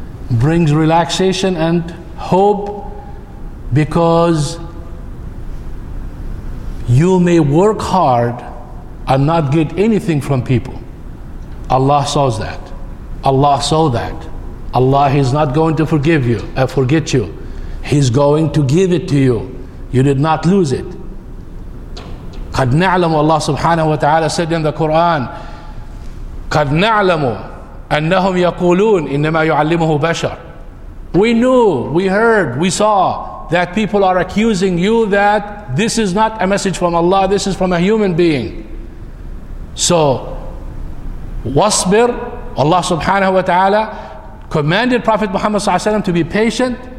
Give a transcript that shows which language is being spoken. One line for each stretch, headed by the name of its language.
English: Brings relaxation and hope because you may work hard and not get anything from people. Allah saws that. Allah saw that. Allah is not going to forgive you, forget you. He's going to give it to you. You did not lose it.
Arabic: قَدْ نَعْلَمُ
English: Allah subhanahu wa ta'ala said in the Quran,
Arabic: قَدْ نَعْلَمُ أَنَّهُمْ يَقُولُونَ إِنَّمَا يُعَلِّمُهُ بَشَرٌ.
English: We knew, we heard, we saw that people are accusing you that this is not a message from Allah, this is from a human being. So, wasbir, Allah subhanahu wa ta'ala commanded Prophet Muhammad sallallahu alayhi wa sallam to be patient.